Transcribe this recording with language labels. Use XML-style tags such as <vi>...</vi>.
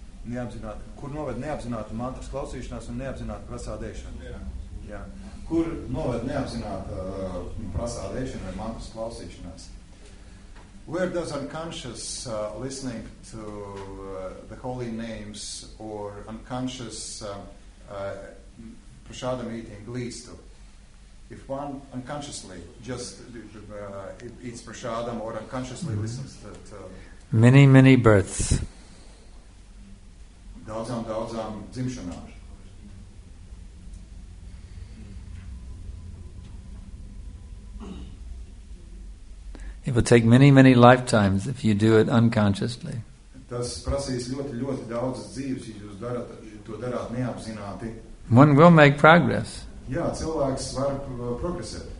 <lv>Neapzināti, kur noved neapzināta mantras klausīšanās un neapzināta prasādēšana. Jā. Kur noved neapzināta prasādēšana vai mantras klausīšanās?</lv> <en>Where does unconscious listening to the holy names or unconscious prasadam eating leads to? If one unconsciously just eats prasadam or unconsciously listens to... Many, many births.</en> <lv>Daudzām, daudzām dzimšanām.</lv> <en>It will take many, many lifetimes if you do it unconsciously.</en> <lv>Tas prasīs ļoti, ļoti daudzas dzīves, ja jūs darat, to darāt neapzināti.</lv> <en>One will make progress.</en> <lv>Jā, cilvēks var progresēt.</lv>